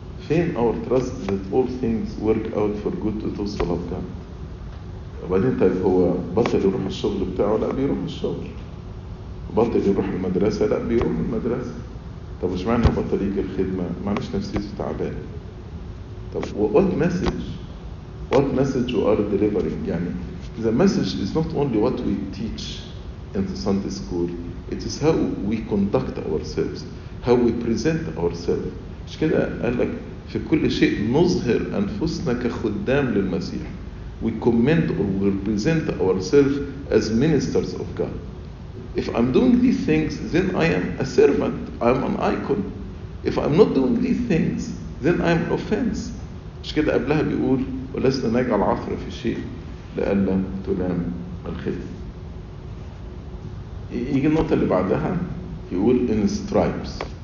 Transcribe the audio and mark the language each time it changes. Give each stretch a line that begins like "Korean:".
Arabic: فين
English: our trust that all things work out for good to those who love God?
Arabic: وبعدين طيب هو بطل يروح الشغل بتاعه؟ لا بيروح الشغل. بطل يروح المدرسة؟ لا بيروح المدرسة. طب مش معنى بطل يجي الخدمة؟ معنىش نفسيته تعبان. طب
English: what message? What message you are delivering?
Arabic: يعني
English: the message is not only what we teach in the Sunday school. It is how we conduct ourselves. How we present ourselves.
Arabic: مش كده قال لك في كل شيء نظهر أنفسنا كخدام للمسيح.
English: We commend or we present ourselves as ministers of God. If I'm doing these things, then I am a servant. I'm an icon. If I'm not doing these things, then I'm an offense.
Arabic: مش كده قبلها بيقول ولسنا نجعل عثرة في شيء لألا تلام الخدمة. يجي النقطة اللي بعدها يقول
English: in stripes.